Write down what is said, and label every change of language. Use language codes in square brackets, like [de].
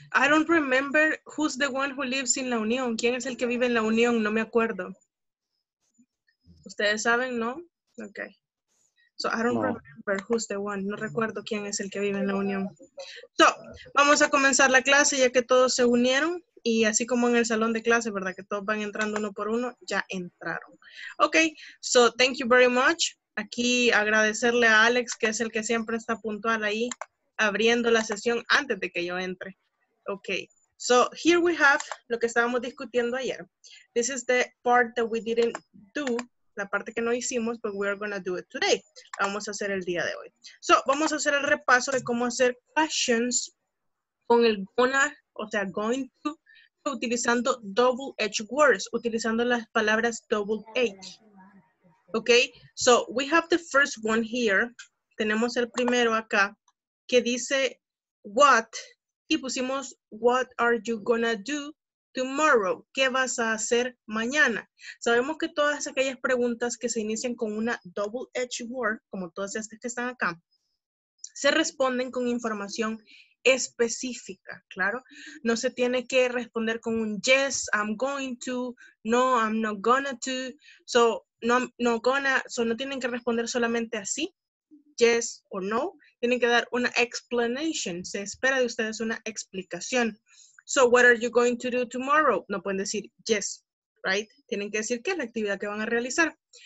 [en] I don't remember who's the one who lives in La Unión. [es] ¿Quién es el que vive en La Unión? No me acuerdo. ¿Ustedes saben, no? Ok. [en] So, I don't remember who's the one. [es] No recuerdo quién es el que vive en La Unión. So, vamos a comenzar la clase ya que todos se unieron. Y así como en el salón de clase, ¿verdad? Que todos van entrando uno por uno, ya entraron. [en] Ok, so thank you very much. [es] Aquí agradecerle a Alex, que es el que siempre está puntual ahí, abriendo la sesión antes de que yo entre. [en] Ok, so here we have [es] lo que estábamos discutiendo ayer. [en] This is the part that we didn't do, [es] la parte que no hicimos, [en] but we are going to do it today. [es] Vamos a hacer el día de hoy. So, vamos a hacer el repaso de cómo hacer questions con el gonna, o sea, going to, utilizando double-edged words, utilizando las palabras double-edged. [en] Okay, so we have the first one here. [es] Tenemos el primero acá que dice what, y pusimos [en] what are you gonna do tomorrow? [es] ¿Qué vas a hacer mañana? Sabemos que todas aquellas preguntas que se inician con una double-edged word, como todas estas que están acá, se responden con información específica, claro. No se tiene que responder con un [en] yes, I'm going to, no, I'm not gonna to. [es] So, no, no gonna, so no tienen que responder solamente así, yes o no. Tienen que dar una explanation. Se espera de ustedes una explicación. [en] So, what are you going to do tomorrow? [es] No pueden decir yes, right? Tienen que decir qué es la actividad que van a realizar.